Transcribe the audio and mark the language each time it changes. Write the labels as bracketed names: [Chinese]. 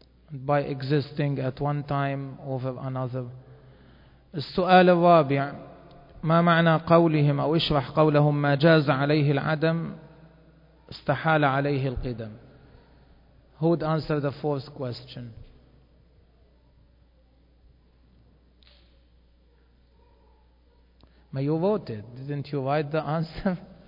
[English] By existing at one time over another. [Arabic] السؤال الرابع ما معنى قولهم أو اشرح قولهم ما جاز عليه العدم استحال عليه القدم. [English] Who would answer the fourth question? But you voted. Didn't you write the answer?